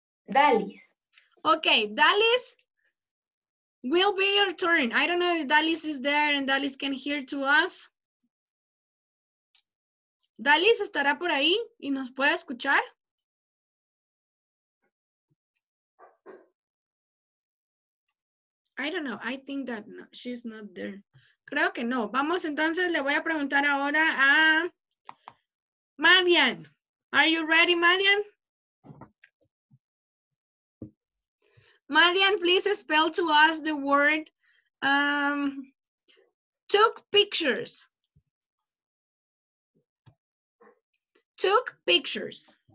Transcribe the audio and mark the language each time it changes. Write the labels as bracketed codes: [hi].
[en] Dalis. Okay, Dalis, will be your turn. I don't know if Dalis is there and Dalis can hear to us. [es] Dalis, ¿estará por ahí y nos puede escuchar? [en] I don't know. I think that no, she's not there. [es] Creo que no. Vamos entonces, le voy a preguntar ahora a Madian. [en] Are you ready, Madian? Madian, please spell to us the word took pictures. Took pictures.